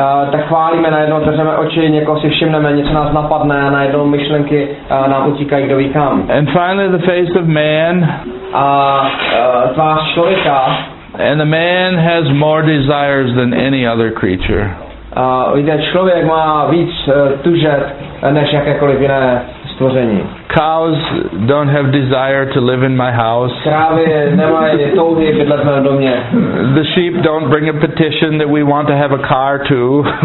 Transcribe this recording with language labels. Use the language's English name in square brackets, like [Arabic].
[Czech] Tak chválíme, najednou držeme oči, někoho si všimneme, něco nás napadne, a najednou myšlenky nám utíkají kdo ví kam. [English] And finally the face of man. [Czech] A tvář člověka. [English] And the man has more desires than any other creature. [Czech] Víte, člověk má víc tužet než jakékoliv jiné. [English] Cows don't have desire to live in my house. The sheep don't bring a petition that we want to have a car too.